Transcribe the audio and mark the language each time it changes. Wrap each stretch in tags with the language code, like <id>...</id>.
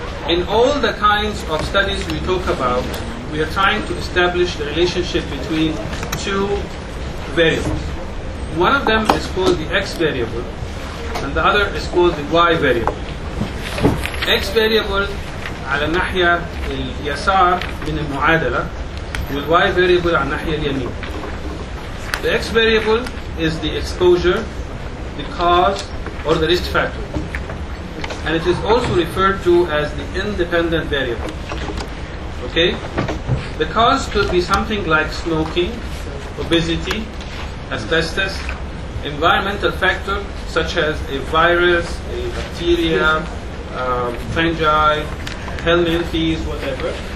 <en>In all the kinds of studies we talk about, we are trying to establish the relationship between two variables. One of them is called the X variable, and the other is called the Y variable.</en> <ar>X variable على ناحية اليسار من المعادلة والY variable على ناحية اليمين.</ar> <en>The X variable is the exposure, the cause, or the risk factor. And it is also referred to as the independent variable. Okay? The cause could be something like smoking, obesity, asbestos, environmental factor such as a virus, a bacteria, fungi, helminth fees, whatever.</en>